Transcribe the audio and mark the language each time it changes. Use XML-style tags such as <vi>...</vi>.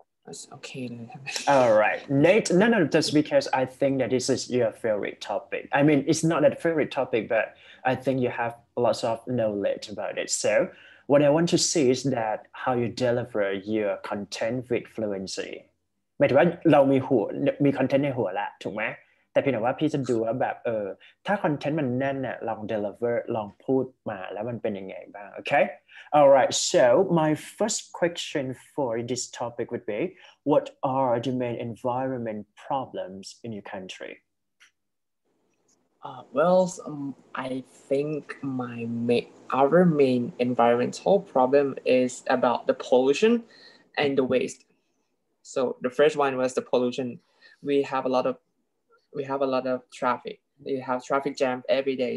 <en>It's okay. All right. Nate, no, just because I think that this is your favorite topic. I mean, it's not that favorite topic, but I think you have lots of knowledge about it. So what I want to see is that how you deliver your content with fluency.</en> <th>หมายถึงว่าเรามีหัวมีคอนเทนต์ในหัวแล้วถูกไหมแต่เพียงแต่ว่าพี่จะดูว่าแบบถ้าคอนเทนต์มันแน่นน่ะลอง deliver ลองพูดมาแล้วมันเป็นยังไงบ้างโอเค</th> <en>alright so my first question for this topic would be what are the main environment problems in your country I think our main environmental problem is about the pollution and the wasteSo the first one was the pollution. We have a lot of traffic. We have traffic jam every day.</en>